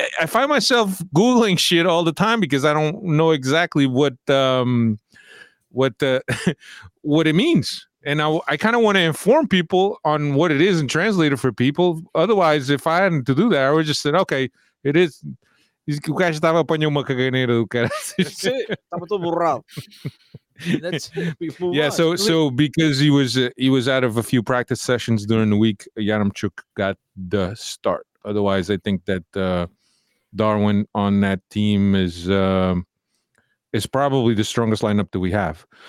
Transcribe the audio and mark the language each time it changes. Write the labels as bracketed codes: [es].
[en] I find myself Googling shit all the time because I don't know exactly what it means. And I kind of want to inform people on what it is and translate it for people. Otherwise, if I hadn't to do that, I would just say, okay, it is. [pt] O gajo estava a apanhar uma caganeira do cara. Estava todo borrado. [en] Yeah, so because he was out of a few practice sessions during the week, Yaramchuk got the start. Otherwise, I think that Darwin on that team is probably the strongest lineup that we have.